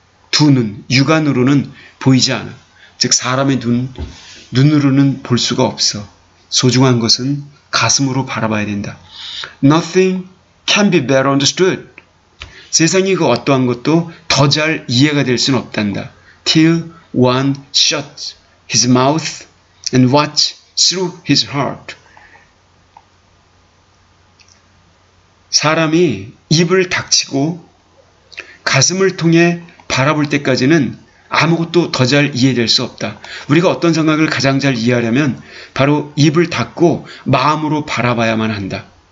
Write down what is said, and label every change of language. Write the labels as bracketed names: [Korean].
[Korean] 두 눈, 육안으로는 보이지 않아. 즉 사람의 눈, 눈으로는 볼 수가 없어. 소중한 것은 가슴으로 바라봐야 된다. [English] Nothing can be better understood. [Korean] 세상이 그 어떠한 것도 더 잘 이해가 될 수는 없단다. [English] Till one shuts his mouth and watches through his heart. [Korean] 사람이 입을 닥치고 가슴을 통해 바라볼 때까지는 아무것도 더 잘 이해될 수 없다. 우리가 어떤 생각을 가장 잘 이해하려면 바로 입을 닫고 마음으로 바라봐야만 한다.